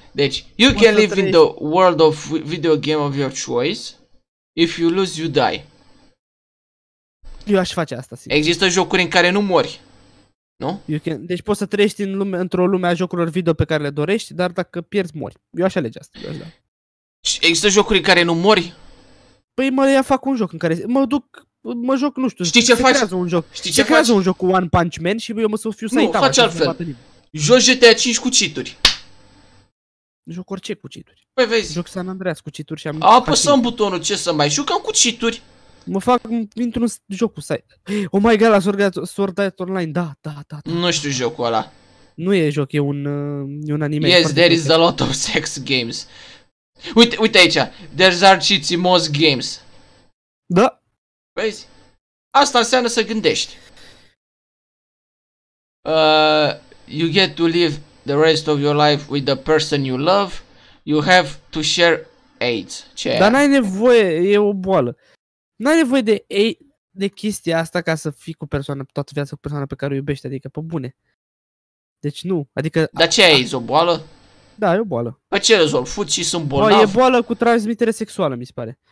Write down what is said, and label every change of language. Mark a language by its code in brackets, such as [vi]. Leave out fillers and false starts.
[en] Deci, you can live in the world of video game of your choice. If you lose, you die. [ro] Eu aș face asta, sigur. Există jocuri în care nu mori. Nu? [en] You can... [ro] Deci poți să trăiești în lume, într-o lume a jocurilor video pe care le dorești, dar dacă pierzi, mori. Eu aș alege asta. Există jocuri în care nu mori? Păi mă ia fac un joc în care... Mă duc... Mă joc, nu știu. Știi ce se faci? Creează un joc. Știi se ce creează faci? Un joc cu One Punch Man și eu mă să fiu Saitama. Nu, faci altfel. Joci GTA 5 cu cheat-uri. Joc orice cu cheat-uri. Păi vezi. Joc San Andreas cu cheat-uri și am... Apăsăm butonul, ce să mai jucăm cu cheat-uri. Mă fac într-un joc cu site. [en] Oh my god, [ro] la Sword Art Online. Da. Nu știu jocul ăla. Nu e joc, e un anime. [en] Yes, there is a lot of sex games. [ro] Uite aici. [en] There are cheats in most games. [ro] Da. Vezi? Asta înseamnă să gândești. [en] You get to live the rest of your life with the person you love. You have to share AIDS. [ro] Ce? Dar n-ai nevoie, e o boală. N-ai nevoie de chestia asta ca să fii cu persoana, toată viața cu persoana pe care o iubești, adică pe bune. Deci nu, adică... Dar ce ai, o boală? Da, e o boală. Păi ce rezolv, fut și sunt bolnav? E boală cu transmitere sexuală, mi se pare.